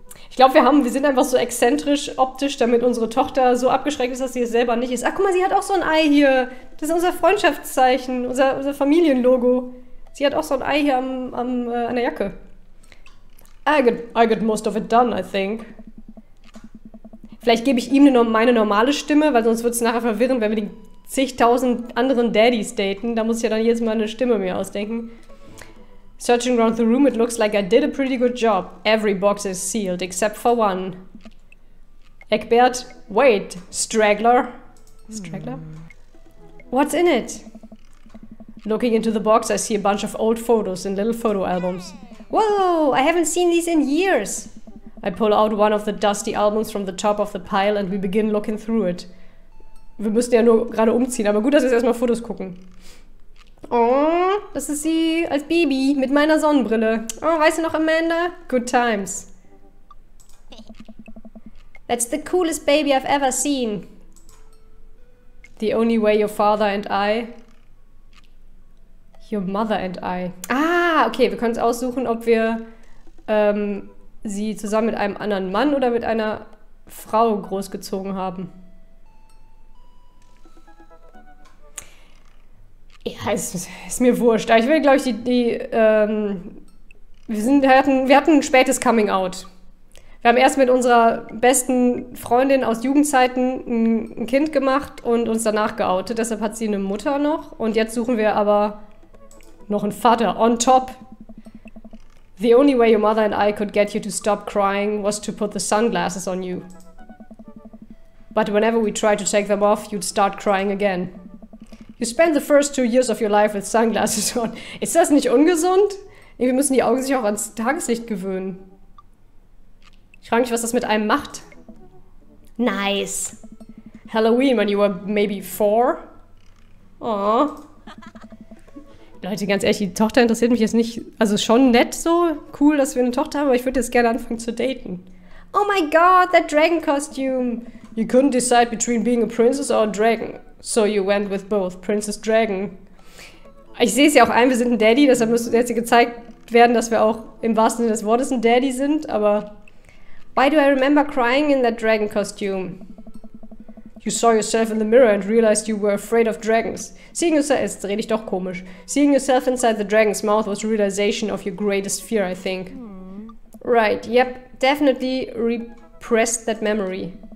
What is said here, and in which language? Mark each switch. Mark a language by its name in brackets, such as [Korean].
[German] Ich glaube, wir sind einfach so exzentrisch optisch, damit unsere Tochter so abgeschreckt ist, dass sie es selber nicht ist. Ach, guck mal, sie hat auch so ein Ei hier. Das ist unser Freundschaftszeichen, unser Familienlogo. Sie hat auch so ein Ei hier an der Jacke. [English] I get most of it done, I think. [German] Vielleicht gebe ich ihm meine normale Stimme, weil sonst wird es nachher verwirrend, wenn wir die zigtausend anderen Daddies daten. Da muss ich ja dann jedes Mal eine Stimme mir ausdenken. [English] Searching around the room, it looks like I did a pretty good job. Every box is sealed, except for one. Eckbert, wait, Straggler. Straggler? What's in it? Looking into the box, I see a bunch of old photos in little photo albums. Whoa, I haven't seen these in years. I pull out one of the dusty albums from the top of the pile and we begin looking through it. [German] Wir müssten ja nur gerade umziehen, aber gut, dass wir jetzt erstmal Fotos gucken. Oh, das ist sie als Baby mit meiner Sonnenbrille. Oh, weißt du noch, Amanda? [English] Good times. That's the coolest baby I've ever seen. The only way your father and I... Your mother and I. [German] Ah, okay, wir können es aussuchen, ob wir sie zusammen mit einem anderen Mann oder mit einer Frau großgezogen haben. Ja, ist mir wurscht. Ich will, glaube ich, wir hatten ein spätes Coming Out. Wir haben erst mit unserer besten Freundin aus Jugendzeiten ein Kind gemacht und uns danach geoutet. Deshalb hat sie eine Mutter noch. Und jetzt suchen wir aber noch einen Vater [English] on top. The only way your mother and I could get you to stop crying was to put the sunglasses on you. But whenever we tried to take them off, you'd start crying again. You spend the first 2 years of your life with sunglasses on. [German] Ist das nicht ungesund? Wir müssen die Augen sich auch ans Tageslicht gewöhnen. Ich frage mich, was das mit einem macht. Nice. [English] Halloween, when you were maybe 4. Aww. [German] Leute, ganz ehrlich, die Tochter interessiert mich jetzt nicht. Also schon nett so. Cool, dass wir eine Tochter haben, aber ich würde jetzt gerne anfangen zu daten. [English] Oh my god, that dragon costume. You couldn't decide between being a princess or a dragon. So you went with both, Princess Dragon. [German] Ich sehe es ja auch ein, wir sind ein Daddy, deshalb müsste jetzt hier gezeigt werden, dass wir auch im wahrsten Sinne des Wortes ein Daddy sind, aber... [English] Why do I remember crying in that dragon costume? You saw yourself in the mirror and realized you were afraid of dragons. Seeing yourself... [German] Jetzt rede ich doch komisch. [English] Seeing yourself inside the dragon's mouth was a realization of your greatest fear, I think. Right, yep, definitely repressed that memory.